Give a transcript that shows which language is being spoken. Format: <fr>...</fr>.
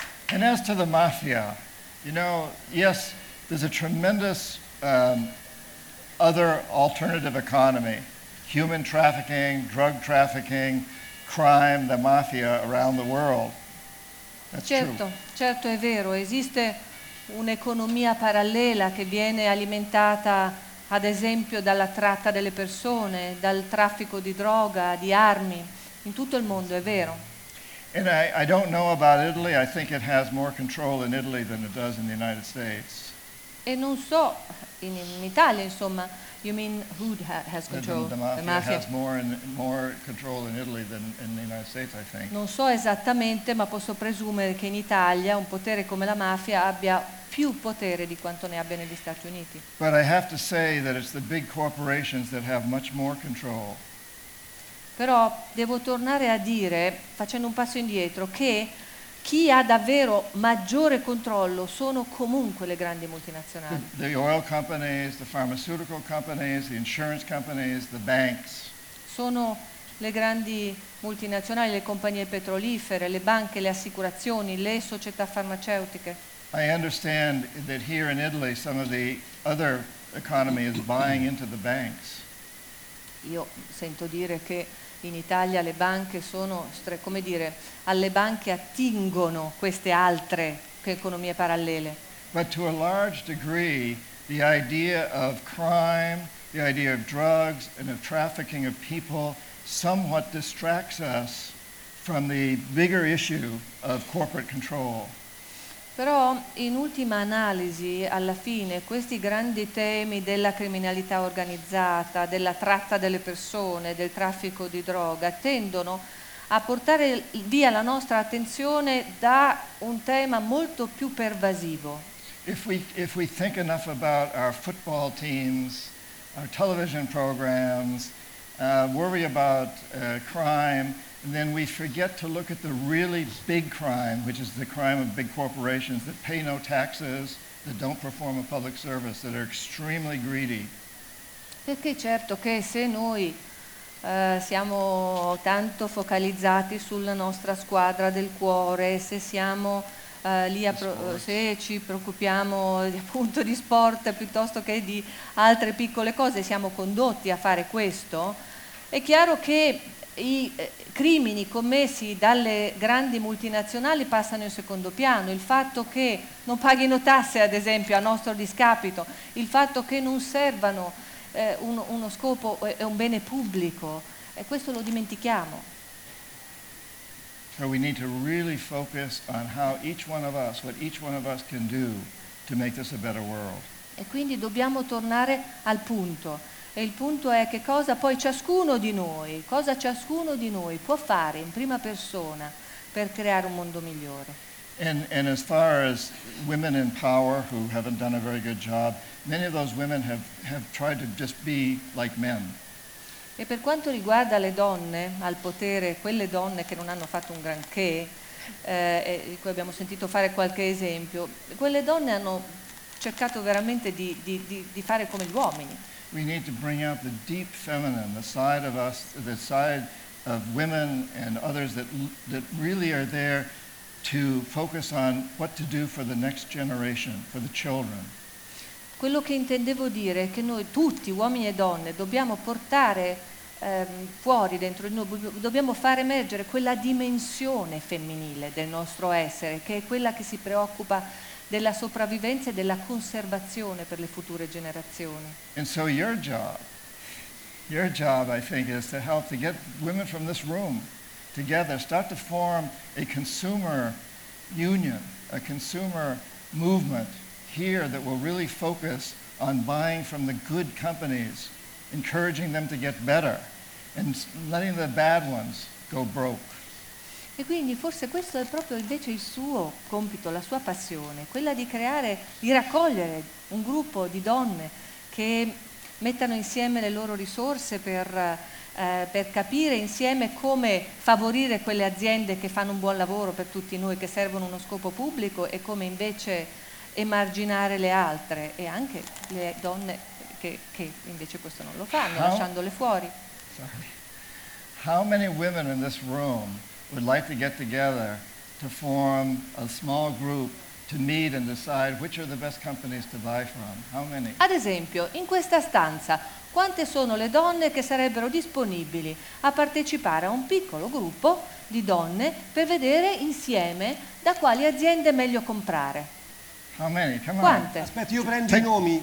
<en>And as to the mafia, you know, yes, there's a tremendous other alternative economy, human trafficking, drug trafficking, crime, the mafia around the world. That's</en> <it>certo,</it> <en>true.</en> <it>Certo è vero, esiste un'economia parallela che viene alimentata ad esempio dalla tratta delle persone, dal traffico di droga, di armi, in tutto il mondo, è vero.</it> <en>And I don't know about Italy, I think it has more control in Italy than it does in the United States.</en> <it>E non so, in Italia, insomma,</it> <en>you mean who has control? The mafia has more control in Italy than in the United States, I think.</en> <it>Non so esattamente, ma posso presumere che in Italia un potere come la mafia abbia più potere di quanto ne abbia negli Stati Uniti.</it> <en>But I have to say that it's the big corporations that have much more control.</en> <it>Però devo tornare a dire, facendo un passo indietro, che chi ha davvero maggiore controllo sono comunque le grandi multinazionali.</it> <en>The oil companies, the pharmaceutical companies, the insurance companies, the banks.</en> <it>Sono le grandi multinazionali, le compagnie petrolifere, le banche, le assicurazioni, le società farmaceutiche.</it> <en>I understand that here in Italy some of the other economy is buying into the banks.</en> <it>Io sento dire che in Italia le banche sono, come dire, alle banche attingono queste altre economie parallele.</it> <en>But to a large degree, the idea of crime, the idea of drugs and of trafficking of people somewhat distracts us from the bigger issue of corporate control.</en> <it>Però in ultima analisi, alla fine, questi grandi temi della criminalità organizzata, della tratta delle persone, del traffico di droga, tendono a portare via la nostra attenzione da un tema molto più pervasivo.</it> <en>If we think enough about our football teams, our television programs, worry about crime, and then we forget to look at the really big crime, which is the crime of big corporations that pay no taxes, that don't perform a public service, that are extremely greedy.</en> <it>Perché certo che se noi siamo tanto focalizzati sulla nostra squadra del cuore, se siamo lì a se ci preoccupiamo appunto di sport piuttosto che di altre piccole cose, siamo condotti a fare questo, è chiaro che i crimini commessi dalle grandi multinazionali passano in secondo piano. Il fatto che non paghino tasse, ad esempio, a nostro discapito, il fatto che non servano uno scopo e un bene pubblico, e questo lo dimentichiamo.</it> <en>So we need to really focus on how each one of us, what each one of us can do to make this a better world.</en> <it>E quindi dobbiamo tornare al punto. E il punto è che cosa poi ciascuno di noi, cosa ciascuno di noi può fare in prima persona per creare un mondo migliore.</it> <en>And as far as women in power who haven't done a very good job, many of those women have tried to just be like men.</en> <it>E per quanto riguarda le donne al potere, quelle donne che non hanno fatto un granché, di cui abbiamo sentito fare qualche esempio, quelle donne hanno cercato veramente di fare come gli uomini.</it> <en>We need to bring out the deep feminine, the side of us, the side of women and others that really are there to focus on what to do for the next generation, for the children.</en> <it>Quello che intendevo dire è che noi tutti, uomini e donne, dobbiamo portare fuori dentro di noi, dobbiamo far emergere quella dimensione femminile del nostro essere, che è quella che si preoccupa della sopravvivenza e della conservazione per le future generazioni.</it> <en>And so your job, I think, is to help to get women from this room together, start to form a consumer union, a consumer movement here that will really focus on buying from the good companies, encouraging them to get better, and letting the bad ones go broke.</en> <it>E quindi forse questo è proprio invece il suo compito, la sua passione, quella di creare, di raccogliere un gruppo di donne che mettano insieme le loro risorse per capire insieme come favorire quelle aziende che fanno un buon lavoro per tutti noi, che servono uno scopo pubblico, e come invece emarginare le altre e anche le donne che invece questo non lo fanno, lasciandole fuori.</it> <en>How many women in this room would like to get together to form a small group to meet and decide which are the best companies to buy from? How many?</en> <it>Ad esempio, in questa stanza, quante sono le donne che sarebbero disponibili a partecipare a un piccolo gruppo di donne per vedere insieme da quali aziende è meglio comprare?</it> <en>How many?</en> <it>Come quante? On. Aspetta, io prendo i nomi.</it>